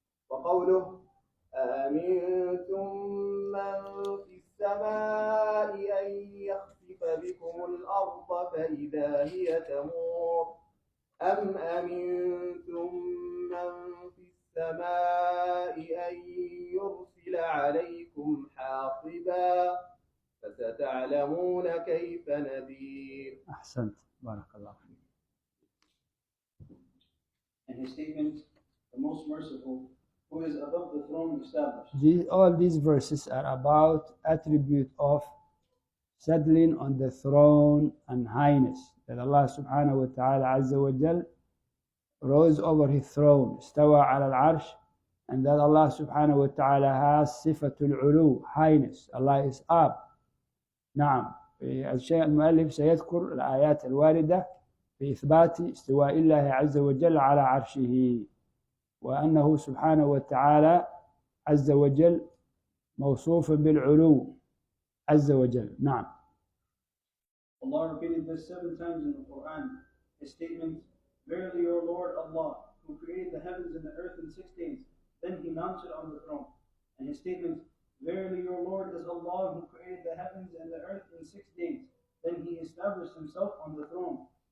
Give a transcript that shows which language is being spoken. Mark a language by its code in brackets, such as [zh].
[ar] وقوله أأمنتم من في السماء أن يخسف بكم الأرض فإذا هي تمور، أم أمنتم من في السماء أن يرسل عليكم حاصبا فستعلمون كيف نذير. أحسنت، بارك الله فيك. [en] And his statement, the most merciful, who is above the throne established. All these verses are about attribute of settling on the throne and highness. that Allah subhanahu wa ta'ala azza wa jal rose over his throne, [ar] istawa ala al-arsh, [en] and that Allah subhanahu wa ta'ala has sifatul ulu, highness. Allah is up. Na'am. [ar] الشيء المؤلف سيذكر الآيات الواردة في إثبات استواء الله عز وجل على عرشه وأنه سبحانه وتعالى عز وجل موصوف بالعلو عز وجل. نعم. [en] Allah repeated this 7 times in the Quran, a statement, Verily your Lord Allah, who created the heavens and the earth in 6 days, then he mounted on the throne. And his statement, Verily your Lord is Allah, who created the heavens and the earth in 6 days, then he established himself on the throne.